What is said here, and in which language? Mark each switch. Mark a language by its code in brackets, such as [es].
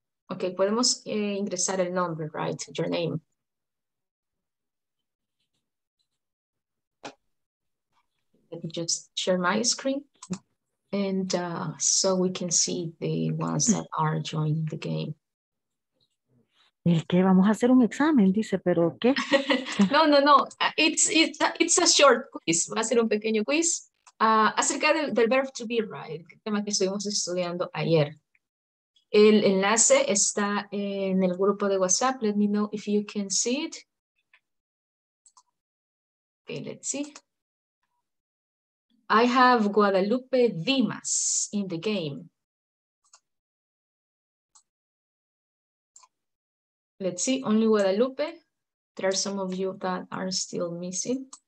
[es] Ok, podemos ingresar el nombre, [en] right? Your name. Let me just share my screen. And so we can see the ones that are joining the game. [es] ¿El qué? Vamos a hacer un examen, dice, pero ¿qué? No, no, no. [en] It's a short quiz. [es] Va a ser un pequeño quiz acerca del verb to be, right? El tema que estuvimos estudiando ayer. El enlace está en el grupo de WhatsApp. [en] Let me know if you can see it. Okay, let's see. I have Guadalupe Dimas in the game. Let's see, only Guadalupe. There are some of you that are still missing.